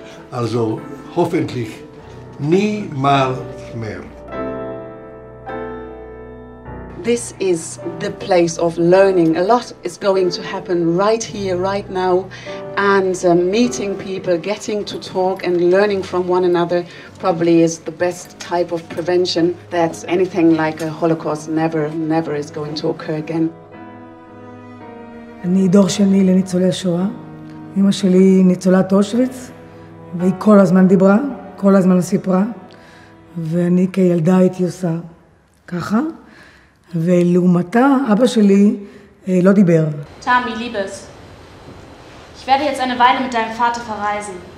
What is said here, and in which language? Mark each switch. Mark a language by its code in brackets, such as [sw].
[de] Also hoffentlich niemals mehr. [en] This is the place of learning. A lot is going to happen right here, right now, and meeting people, getting to talk and learning from one another probably is the best type of prevention that anything like a Holocaust never is going to occur again. [he] אני דור שני לניצולי השואה. אמא שלי ניצולת אושוויץ, והיא כל הזמן דיברה, כל הזמן סיפרה, ואני כילדה הייתי עושה ככה. ולעומתה, אבא שלי לא דיבר. [de] Tami, Liebes, ich werde jetzt eine Weile mit deinem Vater verreisen.